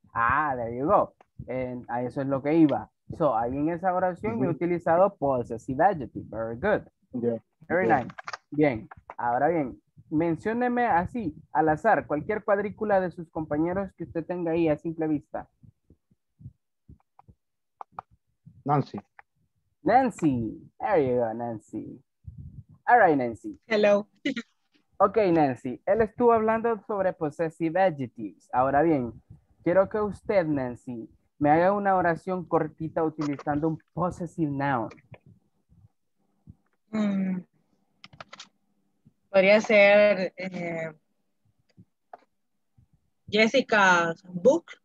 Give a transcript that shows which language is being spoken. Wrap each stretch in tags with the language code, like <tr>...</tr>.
<es>Ah,</es> <en>there you go.</en> <es>A eso es lo que iba. So, ahí en esa oración he utilizado possessive adjective.</es> <en>Very good. Yeah. Very nice. Bien.</en> <es>Ahora bien, mencióneme así, al azar, cualquier cuadrícula de sus compañeros que usted tenga ahí a simple vista. Nancy.</es> <en>Nancy. There you go, Nancy. All right, Nancy. Hello.</en> <es>Ok, Nancy, él estuvo hablando sobre possessive adjectives. Ahora bien, quiero que usted, Nancy, me haga una oración cortita utilizando un possessive noun. Podría ser Jessica's book.</es>